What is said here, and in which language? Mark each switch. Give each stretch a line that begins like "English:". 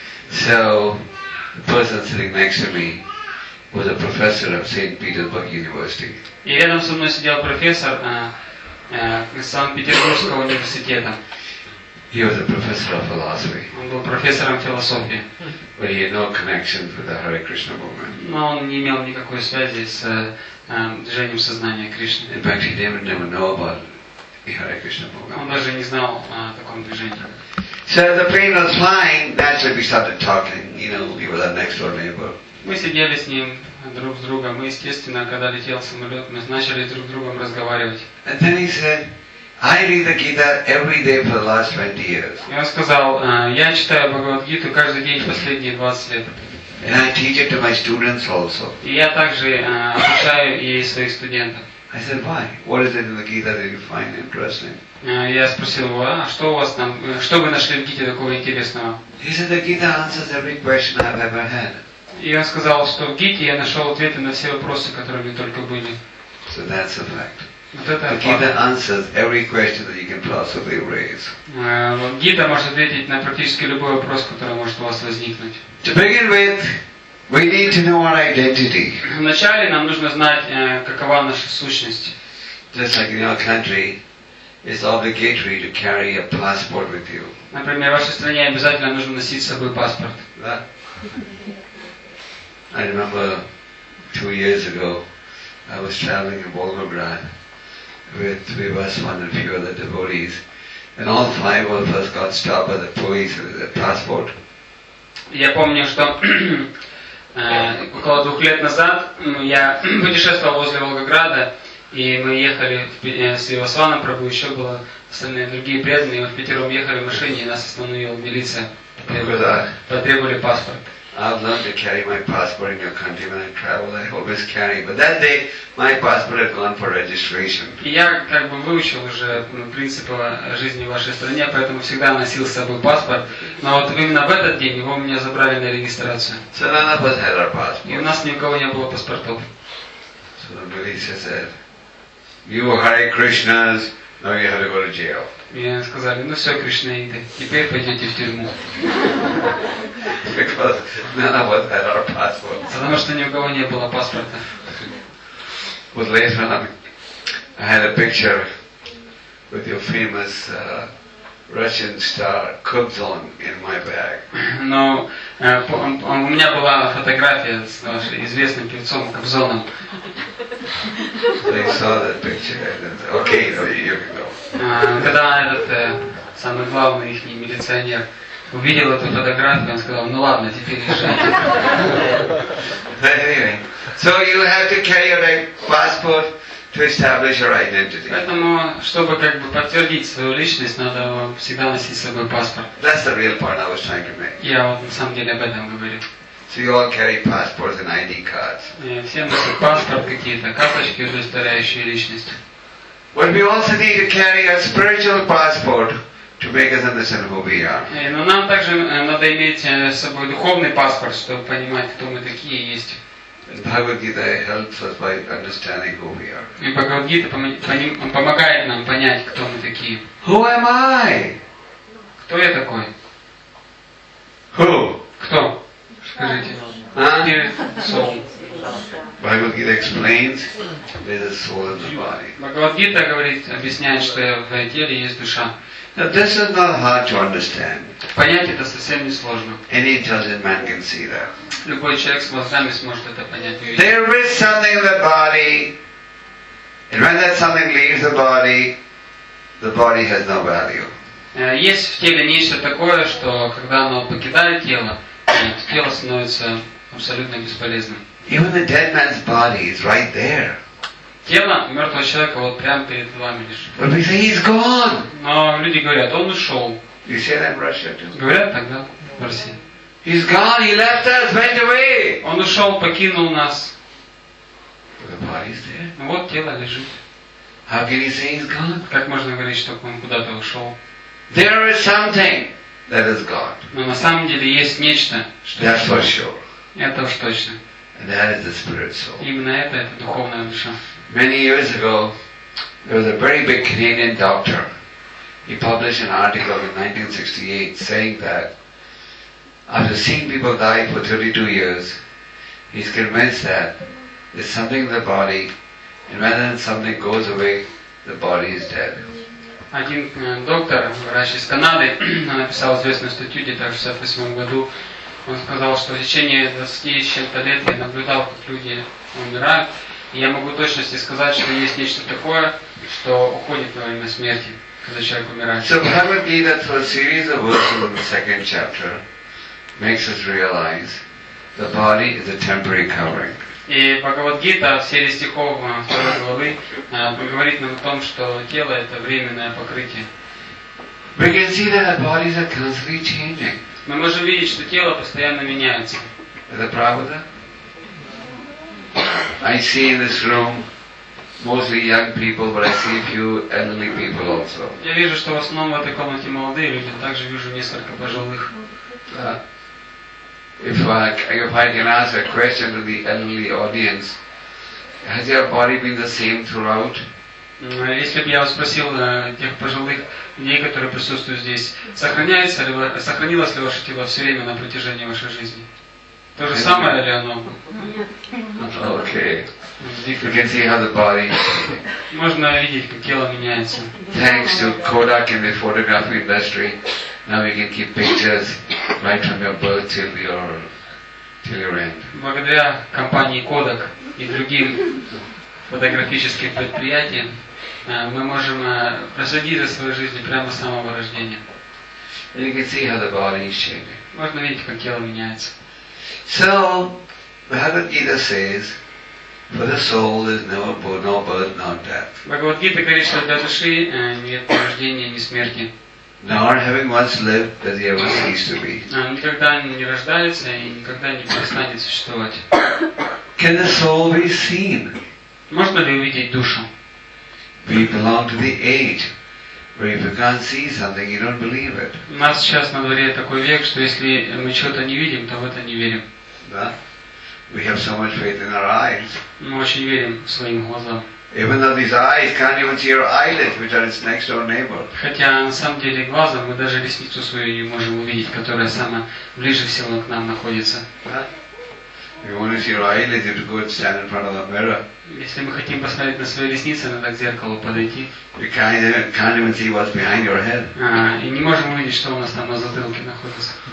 English: So, the person sitting next to me was a professor of St. Petersburg University.
Russian: И рядом со мной сидел профессор из Санкт-Петербургского университета.
English: He was a professor of philosophy.
Russian: Он был профессором философии.
English: But he had no connection with the Hare Krishna movement.
Russian: Но он не имел никакой связи с движением сознания Кришны.
English: In fact, he didn't even know about the Hare Krishna movement.
Russian: Он даже не знал о таком движении.
English: So the plane was flying, naturally we started talking, you know, we were that next door neighbor.
Russian: Мы сидели с ним друг с другом, мы, естественно, когда летел самолет, мы начали друг с другом разговаривать.
English: And then he said, I read the Gita every day for the last 20 years.
Russian: Я сказал, я читаю Бхагавад Гиту каждый день последние 20 лет.
English: And I teach it to my students also.
Russian: И я также обучаю ей своих студентов.
English: I said, why? What is it in the Gita that you find interesting?
Russian: Я спросил его, а что у вас там, что вы нашли в Гите такого интересного?
English: He said, the Gita answers every question I've ever had.
Russian: И он сказал, что в Гите я нашел ответы на все вопросы, которые у меня только были.
English: So that's a fact.
Russian: Вот
English: the Gita answers every question that you can possibly raise.
Russian: Гита может ответить на практически любой вопрос, который может у вас возникнуть.
English: To begin with, we need to know our identity.
Russian: Вначале нам нужно знать, какова наша сущность.
English: Just like in your country, it's obligatory to carry a passport with you.
Russian: Например, в вашей стране обязательно нужно носить с собой паспорт. Да.
English: I remember 2 years ago, I was traveling in Volgograd. With Vivaswan and a few other devotees, and all five of us got stopped by the police with their passport.
Russian: Я помню, что около 2 лет назад я путешествовал возле Волгограда, и мы ехали с Вивасваном, Прабу еще было остальные другие преданные, мы впятером ехали в машине, и нас остановила милиция, потребовали паспорт.
English: I've learned to carry my passport in your country when I travel. I always carry, but that day my passport had gone for registration.
Russian: Я как бы выучил уже принципы жизни в вашей стране, поэтому всегда носил с собой паспорт. Но вот именно в этот день его у меня забрали на регистрацию.
English: So none of us had our passports.
Russian: И у нас ни у кого не было паспортов.
English: So the police said, "You are Hare Krishnas. Now you have to go to jail."
Russian: И они сказали, ну все, кришнаиты, теперь пойдете в тюрьму. Потому что ни у кого не было паспорта.
English: But later on, I had a picture with your famous Russian star Kobzon in my bag.
Russian: Но у меня была фотография с вашим известным певцом Кобзоном.
English: They saw that picture and said, okay, you can go.
Russian: Когда этот самый главный их милиционер увидел эту фотографию, он сказал, ну ладно, теперь решайте.
English: Anyway, so you have to carry your passport to establish your identity.
Russian: Поэтому, чтобы как бы подтвердить свою личность, надо всегда носить с собой паспорт.
English: That's the real point I was trying to make.
Russian: Я вот на самом деле об этом говорил.
English: So you all carry passports and ID cards.
Russian: Все носят паспорт какие-то, карточки, удостоверяющие личность.
English: But we also need to carry a spiritual passport to make us understand who we are.
Russian: Но нам также надо иметь с собой духовный паспорт, чтобы понимать, кто мы такие есть.
English: Bhagavad-gita helps us by understanding who we are.
Russian: И Бхагавад-гита помогает нам понять, кто мы такие.
English: Who am I?
Russian: Кто я такой?
English: Who?
Russian: Кто? Скажите.
English: Spirit, soul. Bhagavad-gita explains there's a soul in the body.
Russian: Бхагавад-гита говорит, объясняет, что в теле есть душа.
English: Now this is not hard to understand.
Russian: Понять это совсем не сложно.
English: Any intelligent man can see that.
Russian: Любой человек с мозгами сможет это понять.
English: There is something in the body, and when that something leaves the body has no value.
Russian: Есть в теле нечто такое, что когда оно покидает тело, тело становится абсолютно бесполезным.
English: Even the dead man's body is right there.
Russian: Тело мертвого человека вот прямо перед вами лежит.
English: But we say he's gone.
Russian: Но люди говорят, он ушел.
English: You say that in Russia too?
Russian: Говорят тогда в России.
English: He's gone, he left us, went away.
Russian: Он ушел, покинул нас.
English: But the body's there.
Russian: Ну вот тело лежит.
English: How can you say he's gone?
Russian: Как можно говорить, что он куда-то ушел?
English: There is something that is God.
Russian: Но на самом деле есть нечто, что
English: That's for sure.
Russian: Это уж точно.
English: And that is the spirit soul.
Russian: Именно это духовная душа.
English: Many years ago, there was a very big Canadian doctor. He published an article in 1968 saying that after seeing people die for 32 years, he's convinced that there's something in the body, and rather than something goes away, the body is dead.
Russian: Один доктор, врач из Канады, написал известную статью где-то в 1968 году. Он сказал, что в течение 20 с чем-то лет я наблюдал, как люди умирают. И я могу точности сказать, что есть нечто такое, что уходит во время смерти, когда человек умирает.
English: So Bhagavad-gita through a series of verses in the second chapter makes us realize the body is a temporary covering.
Russian: И Бхагавад-гита в серии стихов второй главы говорит нам о том, что тело это временное покрытие.
English: We can see that our bodies are constantly changing.
Russian: Мы можем видеть, что тело постоянно меняется. Это правда?
English: I see in this room mostly young people, but I see a few elderly people also.
Russian: Я вижу, что в основном в этой комнате молодые люди, также вижу несколько пожилых.
English: If I can ask a question to the elderly audience, has your body been the same throughout?
Russian: Если бы я спросил тех пожилых людей, которые присутствуют здесь, сохранилось ли ваше тело все время на протяжении вашей жизни? То же самое ли оно?
English: Okay.
Russian: Можно видеть, как тело меняется.
English: Thanks to Kodak and the photography industry, now we can keep pictures right from your birth till your end.
Russian: Благодаря компании Kodak и другим фотографическим предприятиям, мы можем проследить за своей жизнью прямо с самого рождения.
English: And you can see how the body is changing.
Russian: Можно видеть, как тело меняется.
English: So, Bhagavad-gita says, for the soul there's no birth, no death.
Russian: Бхагавад-гита говорит, что для души нет ни рождения, ни смерти.
English: Nor having once lived, does he ever cease to be.
Russian: Никогда не рождается и никогда не перестанет существовать.
English: Can the soul be seen?
Russian: Можно ли увидеть душу?
English: We belong to the age where if you can't see something, you don't believe it.
Russian: У нас сейчас на дворе такой век, что если мы чего-то не видим, то в это не верим. Да?
English: We have so much faith in our eyes.
Russian: Мы очень верим своим глазам.
English: Even though these eyes can't even see your eyelids, which are its next door neighbor.
Russian: Хотя на самом деле глазом мы даже ресницу свою не можем увидеть, которая самая ближе всего к нам находится.
English: If you want to see your eyelids, you have to go and stand in front of the mirror.
Russian: Если мы хотим посмотреть на свои ресницы, надо к зеркалу подойти.
English: You can't even see what's behind your head.
Russian: И не можем увидеть, что у нас там на затылке находится.